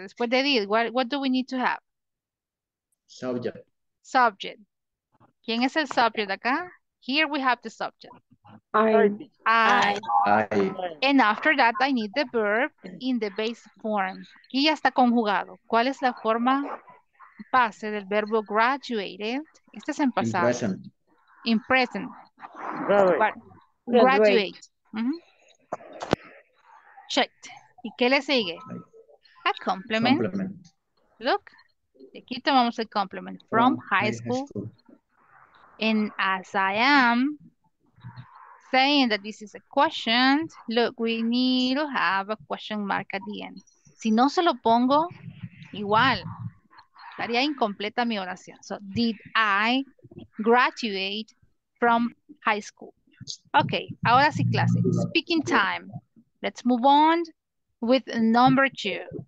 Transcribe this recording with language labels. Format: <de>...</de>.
<es>Después de</es> <en>did, what do we need to have? Subject. Subject.</en> <es>¿Quién es el subject acá?</es> <en>Here we have the subject. I. And after that, I need the verb in the base form.</en> <es>Aquí ya está conjugado. ¿Cuál es la forma base del verbo graduated? Este es en pasado.</es> <en>In present. In present. Graduate.</en> <es>Checked. ¿Y qué le sigue?</es> <en>A complement. Complement. Look.</en> <es>Aquí tomamos el complement.</es> <en>From high school. And as I am saying that this is a question, look, we need to have a question mark at the end.</en> <es>Si no se lo pongo, igual, estaría incompleta mi oración.</es> <en>So, did I graduate from high school? Okay,</en> <es>ahora sí, clase.</es> <en>Speaking time. Let's move on with number two.</en>